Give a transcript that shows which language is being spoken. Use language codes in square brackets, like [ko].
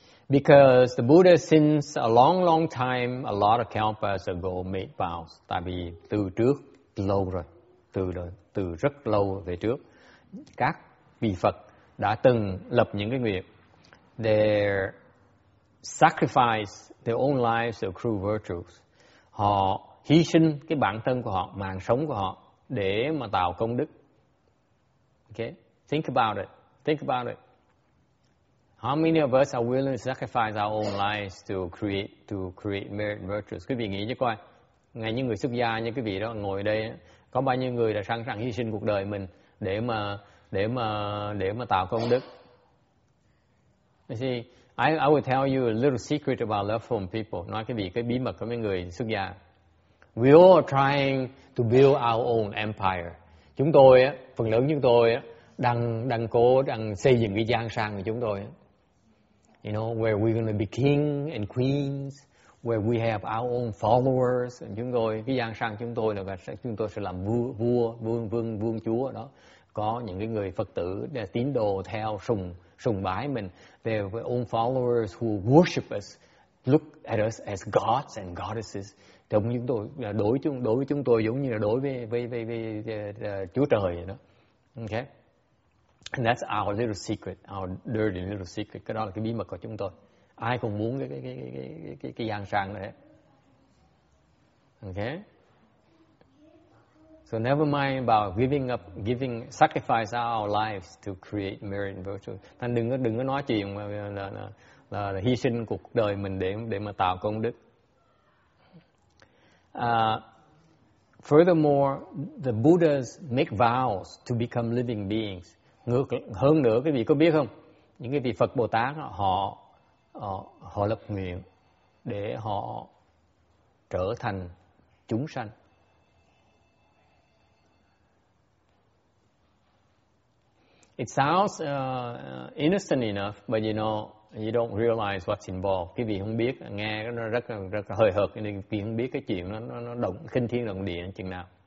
[en] Because the Buddha, since a long, long time, a lot of kalpas ago, made vows. [vi] Tại vì từ trước lâu rồi, từ rất lâu về trước, các vị Phật đã từng lập những cái nguyện. [en] They sacrifice their own lives to accrue virtues. [vi] Họ hy sinh cái bản thân của họ, mạng sống của họ để mà tạo công đức. [en] Okay, think about it. How many of us are willing to sacrifice our own lives to create merit virtues? [vi] Quý vị nghĩ chứ coi, ngay như người xuất gia như quý vị đó ngồi đây, có bao nhiêu người đã sẵn sàng hy sinh cuộc đời mình để mà tạo công đức? [en] You see, I will tell you a little secret about love from people. [vi] Nói quý vị cái bí mật của mấy người xuất gia. [en] We all are trying to build our own empire. [vi] Chúng tôi á, phần lớn chúng tôi á, đang xây dựng cái giang sang của chúng tôi. [en] You know, where we're going to be king and queens, where we have our own followers. [vi] Chúng tôi, cái giang sang chúng tôi là chúng tôi sẽ làm vua, vương chúa đó. Có những cái người Phật tử, tín đồ theo, sùng bái mình. [en] They have our own followers who worship us, look at us as gods and goddesses. [vi] Đối với chúng tôi giống như là đối với Chúa Trời vậy đó. [en] Okay? And that's our little secret, our dirty little secret. [vi] Cái đó là cái bí mật của chúng tôi. Ai cũng muốn cái giang sang đấy. [en] Okay. So never mind about giving sacrifice our lives to create merit and virtue. [vi] Thành đừng có nói chuyện là hy sinh cuộc đời mình để mà tạo công đức. [en] Furthermore, the Buddhas make vows to become living beings. [vi] Ngược hơn nữa, quý vị có biết không, những cái vị Phật Bồ Tát họ lập nguyện để họ trở thành chúng sanh. [en] It sounds innocent enough, but you know, you don't realize what's involved. [vi] Quý vị không biết, nghe nó rất hời hợt, nên quý vị không biết cái chuyện nó động kinh thiên động địa chừng nào.